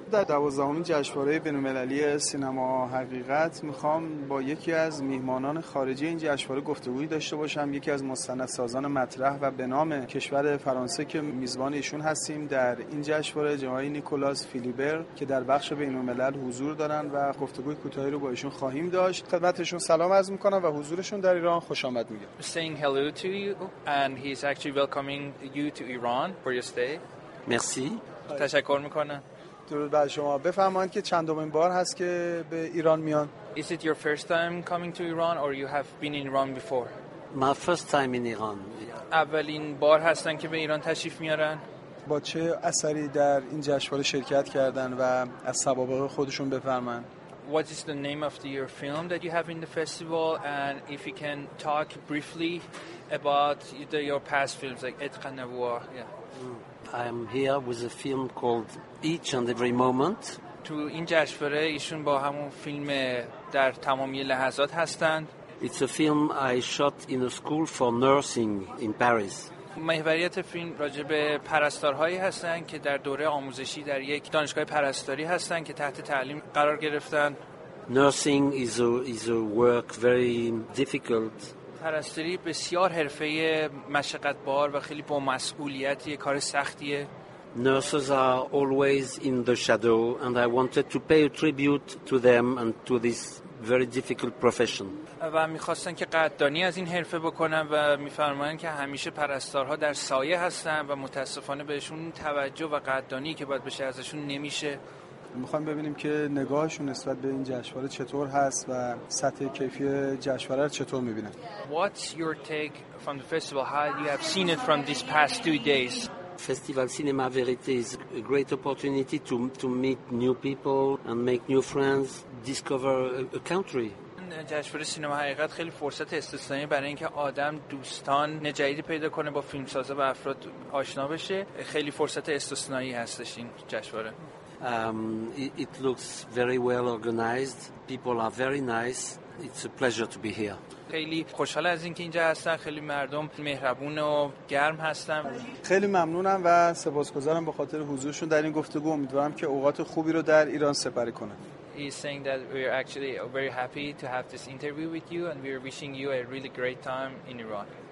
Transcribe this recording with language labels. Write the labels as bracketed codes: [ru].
[fa] در 12 جشنواره بین‌المللی سینما حقیقت میخوام با یکی از میهمانان خارجی این جشنواره گفتگویی داشته باشم، یکی از مستندسازان مطرح و به نام کشور فرانسه که میزبان ایشون هستیم در این جشنواره، جناب نیکولاس فیلیبر که در بخش بین‌الملل حضور دارن و گفتگوی کوتاهی رو با ایشون خواهیم داشت. خدمتشون سلام عرض میکنم و حضورشون در ایران خوش آمد میگم. [en] Saying hello to you and he's actually welcoming you to Iran for your stay. [fr] Merci. [fa] تشکر میکنم. درود بر شما. بفرمایید که چندمین بار هست که به ایران میان؟ [en] Is it your first time coming to Iran or you have been in Iran before? My first time in Iran. [fa] اولین بار هستن که به ایران تشریف میارن؟ با چه اثری در این جشنواره شرکت کردن و از سوابق خودشون بفرمایید؟ [en] What is the name of your film that you have in the festival and if you can talk briefly about your past films like Etre à Nevoir? I am here with a film called Each and Every Moment. [fa] تو این جشنواره ایشون با همون فیلم در تمامی لحظات هستند. [en] It's a film I shot in a school for nursing in Paris. [fa] محوریت فیلم راجب پرستارهایی هستند که در دوره آموزشی در یک دانشگاه پرستاری هستند که تحت تعلیم قرار گرفتند. [en] Nursing is a work very difficult. [fa] پرستاری بسیار حرفه مشقت بار و خیلی با مسئولیتیه، کار سختیه. [en] Nurses are always in the shadow and I wanted to pay a tribute to them and to this very difficult profession. [fa] و می‌خواستن که قدردانی از این حرفه بکنن و می‌فرمایند که همیشه پرستارها در سایه هستن و متاسفانه بهشون توجه و قدردانی که باید بشه ازشون نمیشه. می‌خوام ببینیم که نگاهشون نسبت به این جشنواره چطور هست و سطح کیفی جشنواره رو چطور می‌بینن. [en] What's your take from the festival? How you have seen it from these past two days? Festival Cinéma Vérité is a great opportunity to meet new people and make new friends, discover a country. [fa] جشنواره سینما حقیقت خیلی فرصت استثنایی برای اینکه آدم دوستان جدیدی پیدا کنه، با فیلمسازا و افراد آشنا بشه. خیلی فرصت استثنایی هستش این جشنواره. [en] It looks very well organized. People are very nice. It's a pleasure to be here. [fa] خیلی خوشحال از اینکه اینجا هستن. خیلی مردم مهربون و گرم هستن. خیلی ممنونم و سپاسگزارم به خاطر حضورشون در این گفتگو. امیدوارم که اوقات خوبی رو در ایران سپری کنن. [en] He's saying that we are actually very happy to have this interview with you and we are wishing you a really great time in Iran.